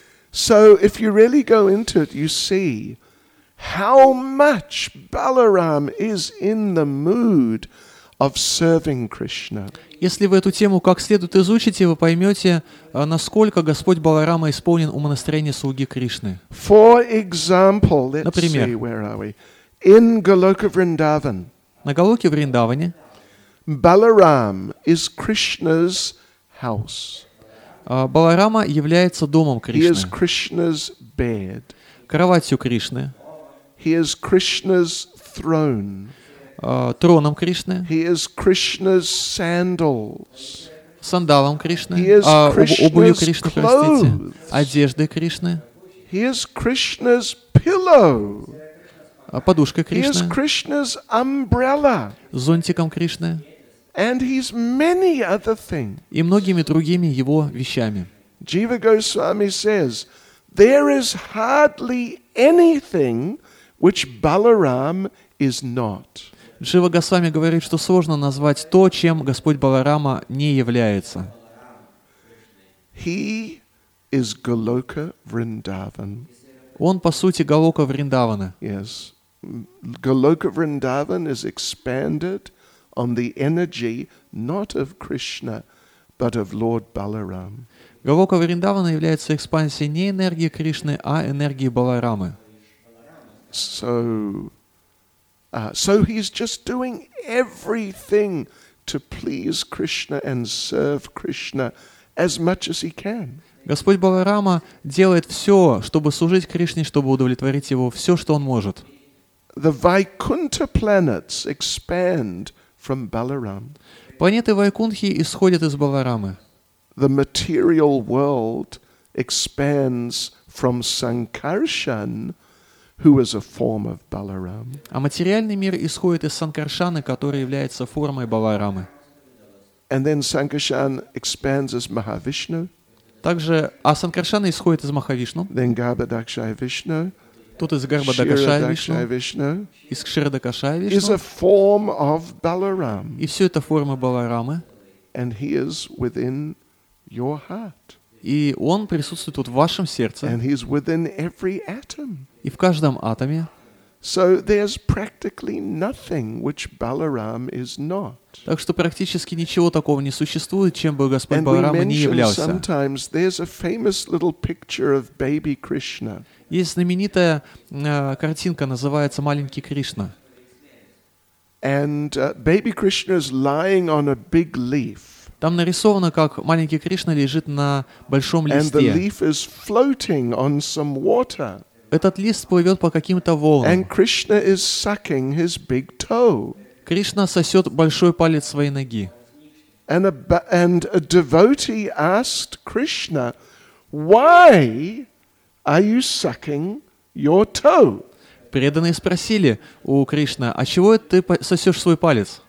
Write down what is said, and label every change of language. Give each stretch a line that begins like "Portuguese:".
English: So if you really go into it, you see how much Balaram is in the mood of serving Krishna.
Russian: Если вы эту тему как следует изучите, вы поймете, насколько Господь Баларама исполнен умонастроения слуги Кришны.
English: For example, let's
Russian: Например,
English: see, where are we? In Goloka Vrindavan.
Russian: На Голоке Вриндаване.
English: Balaram is Krishna's house.
Russian: Баларама является домом Кришны.
English: He is Krishna's bed.
Russian: Кроватью Кришны.
English: He is Krishna's throne.
Russian: Троном Кришны.
English: He is Krishna's sandals.
Russian: Сандалом Кришны.
English: He is
Russian: обувью Кришны,
English: clothes.
Russian: Простите. Одежды Кришны.
English: He is Krishna's pillow.
Russian: Подушка Кришны.
English: He is Krishna's umbrella.
Russian: Зонтиком Кришны.
English: And he's many other things.
Russian: И многими другими его вещами.
English: Jiva Goswami says, there is hardly anything which Balaram is not.
Russian: Джива Госвами говорит, что сложно назвать то, чем Господь Баларама не является.
English: He is Goloka Vrindavan.
Russian: Он, по сути, Голока Вриндавана.
English: Yes. Goloka Vrindavan is expanded on the energy not of Krishna, but of Lord Balaram.
Russian: Голока Вриндавана является экспансией не энергии Кришны, а энергии Баларамы.
English: So he's just doing everything to please Krishna and serve Krishna as much as he can.
Russian: Господь Баларама делает все, чтобы служить Кришне, чтобы удовлетворить его, все, что он может.
English: The Vaikuntha planets expand from Balaram.
Russian: Планеты Вайкунтхи исходят из Баларамы.
English: The material world expands from Sankarshan, who is a form of Balaram.
Russian: А материальный мир исходит из Санкаршаны, который является формой Баларамы.
English: And then Sankarshan expands as Mahavishnu.
Russian: Также, а Санкаршана исходит из Махавишну.
English: Then Garbhadakshaya Vishnu.
Russian: Тут из Гарбхадакшая Вишну. Из Кширадакшая Вишну.
English: Is a form of Balaram.
Russian: И все это формы Баларамы.
English: And he is within your heart.
Russian: И он присутствует тут в вашем сердце.
English: And he's within every atom.
Russian: И в каждом атоме.
English: So there's practically nothing which Balaram is not.
Russian: Так что практически ничего такого не существует, чем бы Господь Баларама не являлся.
English: Sometimes there's a famous little picture of baby Krishna.
Russian: Есть знаменитая картинка, называется «Маленький Кришна».
English: And baby Krishna is lying on a big leaf.
Russian: Там нарисовано, как маленький Кришна лежит на большом листе.
English: And the leaf is floating on some water.
Russian: Этот лист плывет по каким-то волнам.
English: And Krishna is sucking his big toe.
Russian: Кришна сосет большой палец своей ноги.
English: And a devotee asked Krishna, "Why are you sucking your toe?"
Russian: Преданные спросили у Кришны, "А чего ты сосешь свой палец?"